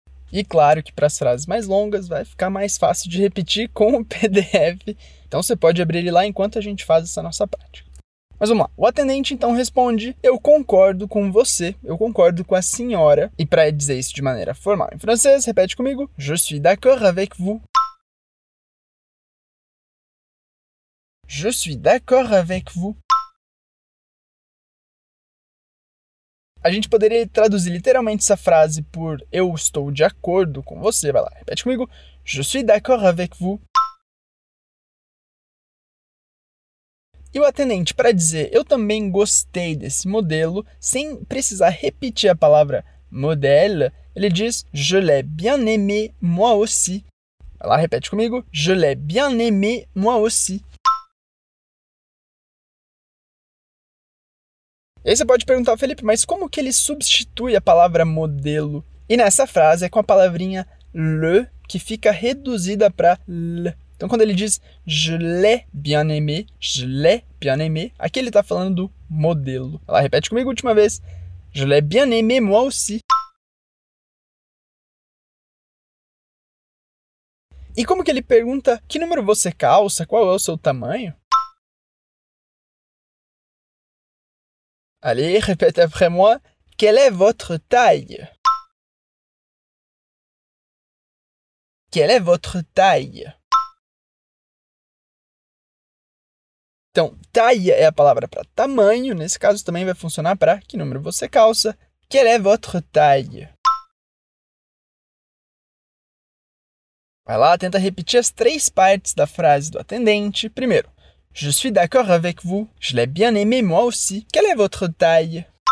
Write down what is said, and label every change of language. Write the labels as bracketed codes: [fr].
[pt] E claro que para as frases mais longas vai ficar mais fácil de repetir com o PDF. Então, você pode abrir ele lá enquanto a gente faz essa nossa prática. Mas vamos lá. O atendente então responde: eu concordo com você, eu concordo com a senhora. E para dizer isso de maneira formal em francês, repete comigo: [fr] je suis d'accord avec vous. Je suis d'accord avec vous. [pt] A gente poderia traduzir literalmente essa frase por: eu estou de acordo com você. Vai lá, repete comigo: [fr] je suis d'accord avec vous. [pt] E o atendente, para dizer eu também gostei desse modelo, sem precisar repetir a palavra modèle, ele diz [fr] je l'ai bien aimé moi aussi. [pt] Vai lá, repete comigo: [fr] je l'ai bien aimé moi aussi. [pt] E aí você pode perguntar ao Felipe, mas como que ele substitui a palavra modelo? E nessa frase é com a palavrinha le, que fica reduzida para l. Então, quando ele diz [fr] je l'ai bien aimé, [pt] je l'ai bien aimé, aqui ele está falando do modelo. Ela repete comigo a última vez: [fr] je l'ai bien aimé moi aussi. [pt] E como que ele pergunta que número você calça, qual é o seu tamanho? [fr] Allez, répète après moi: quelle est votre taille? Quelle est votre taille? [pt] Então, taille é a palavra para tamanho, nesse caso também vai funcionar para que número você calça. [fr] Quelle est votre taille? [pt] Vai lá, tenta repetir as três partes da frase do atendente. [fr] Primeiro: je suis d'accord avec vous. Je l'ai bien aimé moi aussi. Quelle est votre taille?